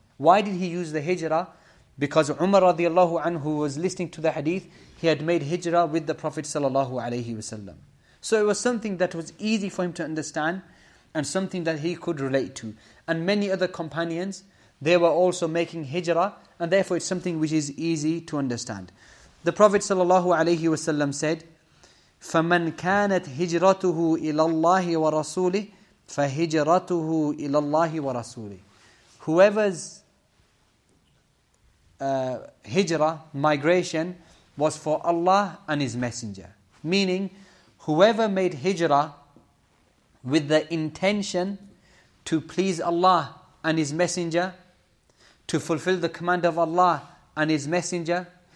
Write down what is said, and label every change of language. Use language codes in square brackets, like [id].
[en] Why did he use the hijrah? Because Umar radiallahu anhu was listening to the hadith, he had made hijrah with the Prophet sallallahu alaihi wasallam. So it was something that was easy for him to understand and something that he could relate to. And many other companions, they were also making hijrah, and therefore it's something which is easy to understand. The Prophet sallallahu alaihi wasallam said, [ar] فَمَنْ كَانَتْ هِجْرَتُهُ إِلَى اللَّهِ وَرَسُولِهِ فَهِجْرَتُهُ إِلَى اللَّهِ وَرَسُولِهِ. [en] Whoever's hijrah, migration, was for Allah and His Messenger. Meaning, whoever made hijrah with the intention to please Allah and His Messenger, to fulfill the command of Allah and His Messenger,